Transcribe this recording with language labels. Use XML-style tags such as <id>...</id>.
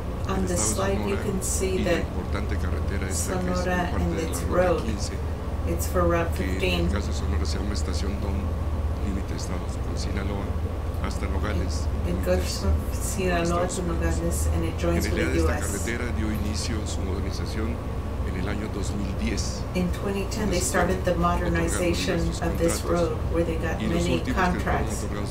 <en>On the slide, you can see that Sonora and its road, it's for Route 15.</en> <es>En el caso de Sonora, se llama Estación Don, límite estados con Sinaloa hasta Nogales.</es> <en>It goes from Sinaloa to Nogales, and it joins with the U.S.</en> <es>Esta carretera dio inicio su modernización en el año 2010.</es> <en>In 2010, they started the modernization of this road, where they got many contracts.</en>